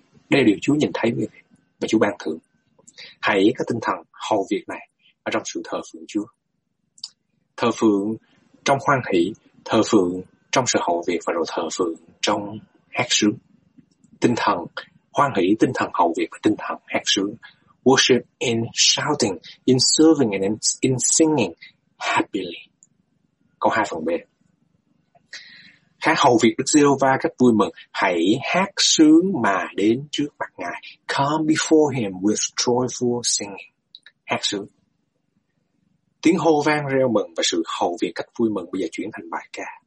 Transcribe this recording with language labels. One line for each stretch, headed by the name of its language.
Vietnamese: Đây là điều Chúa nhìn thấy và Chúa ban thưởng. Hãy có tinh thần hầu việc này ở trong sự thờ phượng Chúa. Thờ phượng trong hoan hỷ, thờ phượng trong sự hầu việc và rồi thờ phượng trong hát sướng. Tinh thần hoan hỷ, tinh thần hầu việc và tinh thần hát sướng.
English: worship in shouting, in serving, and in singing happily.
Vietnamese: Câu 2 phần B. Hãy hầu việc Đức Giê-hô-va cách vui mừng, hãy hát sướng mà đến trước mặt Ngài.
English: Come before Him with joyful singing.
Vietnamese: Hát sướng. Tiếng hô vang reo mừng và sự hầu việc cách vui mừng bây giờ chuyển thành bài ca.